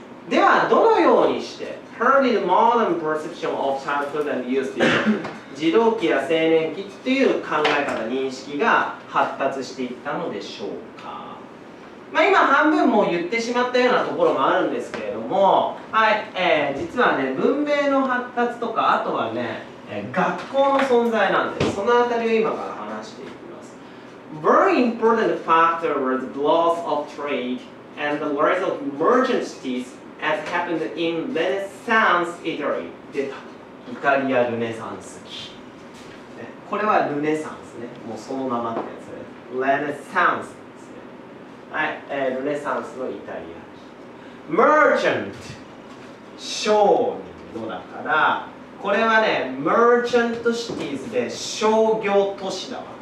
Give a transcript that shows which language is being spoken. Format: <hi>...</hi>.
<ja>では、どのようにして、 How did modern perception of childhood and youth 児童期や青年期っていう考え方、認識が発達していったのでしょうか。まあ、今半分も言ってしまったようなところもあるんですけれども、はい、実はね、文明の発達とか、あとはね、学校の存在なんで、そのあたりを今から話していきます。</ja> <en>Very important factor was the loss of trade and the rise of merchandise as happened in Renaissance Italy.</en> <ja>出た。イタリアルネサンス期。これはルネサンスね。もうそのままってやつね。 Renaissance。 はい、ルネサンスのイタリア Merchant 商人のだから、これはね Merchant Cities で商業都市だわ。</ja>